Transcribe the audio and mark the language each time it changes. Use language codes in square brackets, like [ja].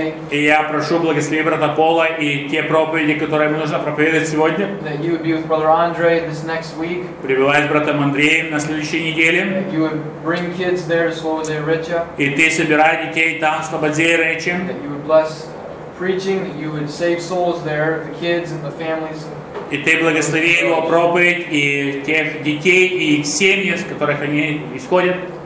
[ru] И я прошу, благослови брата Пола и те проповеди, которые ему нужно проповедовать сегодня. [en] That you would be with brother Andre this next week. [ru] Пребывай с братом Андреем на следующей неделе. [en] That you would bring kids there, Slobodzeje. [ru] И ты собирай детей там, Слободзея Речи. [en] That you would bless preaching, that you would save souls there, the kids and the families. [ru] И ты благослови его проповедь и тех детей и семьи, с которых они исходят.